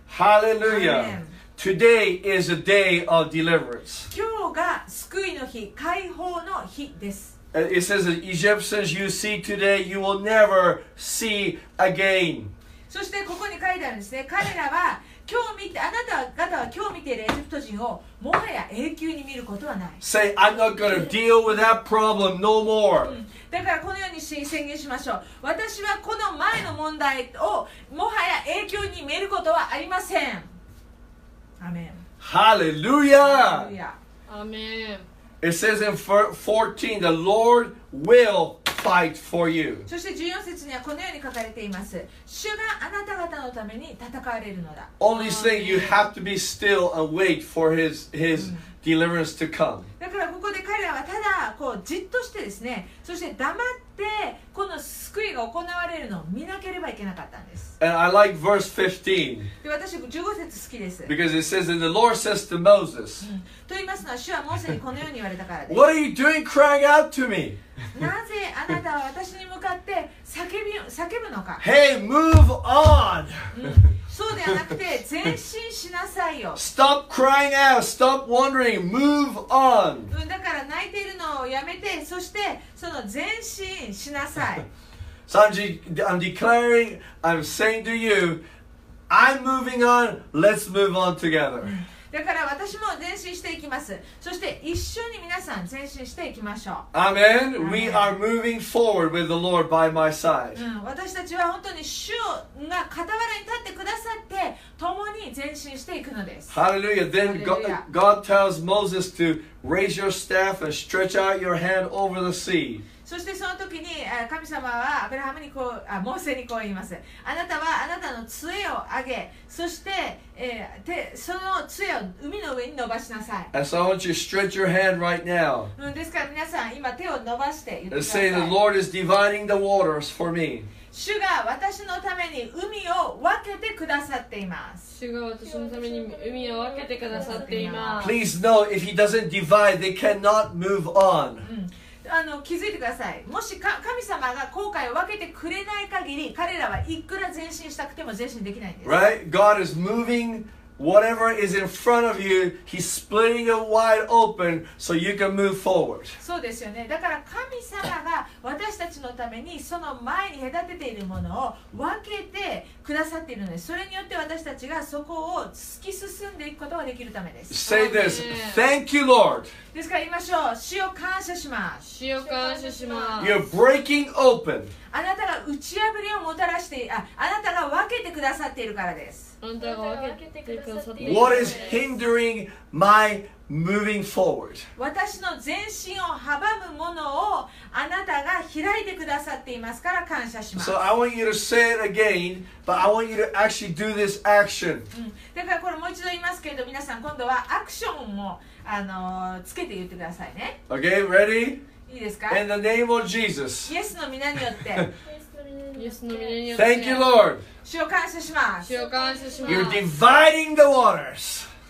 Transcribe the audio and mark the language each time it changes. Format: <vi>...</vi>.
<en>Hallelujah. Today is a day of deliverance.</en> <ja>今日が救いの日、解放の日です。</ja> <en>It says, Egyptians, you see today, you will never see again.</en> <ja>そしてここに書いてあるんですね。彼らは今日見て、あなた方は今日見ているエジプト人をもはや永久に見ることはない。</ja> <en>Say, I'm not going to deal with that problem no more.</en> <ja>だからこのように宣言しましょう。私はこの前の問題をもはや永久に見ることはありません。アメン。ハレルヤ。アメン。</ja> <en>It says in 14, the Lord will fight for you.</en> <ja>そして14節にはこのように書かれています。主があなた方のために戦われるのだ。</ja> <en>Only thing you have to be still and wait for his deliverance to come.</en> <ja>だからここで彼らはただこうじっとしてですね、そして黙ってこの救いが行われるのを見なければいけなかったんです。</ja> <en>And I like verse 15.</en> <ja>で、私15節好きです。</ja> <en>Because it says, and the Lord says to Moses.</en> <ja>と言いますのは、主はモーセにこのように言われたからです。</ja> <en>What are you doing crying out to me?</en> <ja>なぜあなたは私に向かって叫ぶのか。</ja> <en>Hey, move on!</en> <ja>そうではなくて前進しなさいよ。</ja> <en>Stop crying out, stop wondering, move on.</en> <ja>だから泣いているのをやめて、そしてその前進しなさい。</ja> <en>So I'm declaring, I'm saying to you, I'm moving on, let's move on together.</en> <ja>だから私も前進していきます。そして一緒に皆さん前進していきましょう。</ja> <en>Amen. We are moving forward with the Lord by my side.</en> <ja>私たちは本当に主が傍らに立ってくださって共に前進していくのです。</ja> <en>Hallelujah. Then God tells Moses to raise your staff and stretch out your hand over the sea.</en> <ja>そしてその時に神様はアブラハムにこう、モーセにこう言います。あなたはあなたの杖を上げ、そして、その杖を海の上に伸ばしなさい。</ja> <en>And so I want you to stretch your hand right now.</en> <ja>ですから皆さん今手を伸ばして言ってください</ja> <en>。 Say the Lord is dividing the waters for me.</en> <ja>主が私のために海を分けてくださっています。主が私のために海を分けてくださっています。</ja> <en>Please know if he doesn't divide, they cannot move on.</en> <ja>気づいてください。もし神様が航海を分けてくれない限り、彼らはいくら前進したくても前進できないんです。</ja> <en>Right? God is moving whatever is in front of you. He's splitting it wide open so you can move forward.</en> <ja>そうですよね。だから神様が私たちのためにその前に隔てているものを分けてくださっているので、それによって私たちがそこを突き進んでいくことができるためです。</ja> <en>Say this. Thank you, Lord.</en> <ja>ですから言いましょう。主を感謝します。主を感謝します。</ja> <en>You're breaking open.</en> <ja>あなたが打ち破りをもたらして、あなたが分けてくださっているからです。あなたが分けてくださっているからです。</ja> <en>What is hindering my moving forward?</en> <ja>私の前進を阻むものをあなたが開いてくださっていますから感謝します。</ja> <en>So I want you to say it again, but I want you to actually do this action.</en> <ja>だからこれもう一度言いますけれど、皆さん今度はアクションもつけて言ってくださいね。</ja> <en>Okay, ready?</en> <ja>いいですか?</ja> <en>In the name of Jesus.</en> <ja>イエスの名によって。</ja> <en>Thank you, Lord.</en> <ja>主を感謝します。主を感謝します。</ja> <en>You're dividing the waters.</en>